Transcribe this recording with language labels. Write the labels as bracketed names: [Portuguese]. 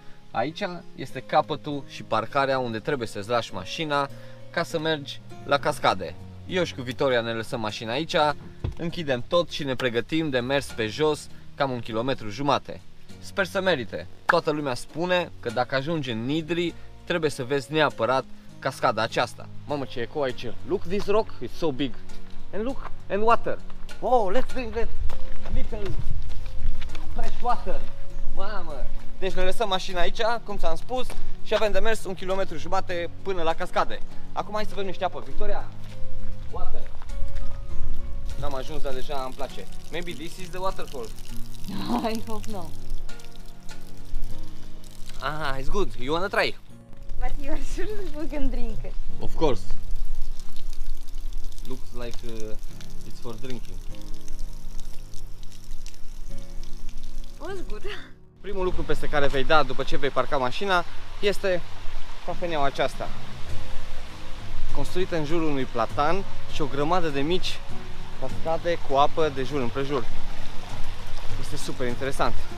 [Romanian] Aici este capătul și parcarea unde trebuie să-ți lași mașina ca să mergi la cascade. Eu și cu Victoria ne lăsăm mașina aici, închidem tot și ne pregătim de mers pe jos cam un kilometru jumate. Sper să merite. Toată lumea spune că dacă ajungi în Nidri, trebuie să vezi neapărat cascada aceasta. Mamă, ce eco aici. [English] Look this rock, it's so big. And look, and water. Oh, let's drink that little fresh water. [Romanian] Mamă. Deci ne lăsăm mașina aici, cum ți-am spus, și avem de mers un kilometru jumate până la cascade. Acum hai să vedem niște apă. Victoria, water. N-am ajuns, dar deja îmi place. [English] Maybe this is the waterfall. I hope not. Ah, it's good. You wanna try? But you are sure that we can drink it? Of course. Looks like it's for drinking. Oh, it's good. [Romanian] Primul lucru peste care vei da după ce vei parca mașina este cafeneaua aceasta. Construită în jurul unui platan și o grămadă de mici cascade cu apă de jur împrejur. Este super interesant.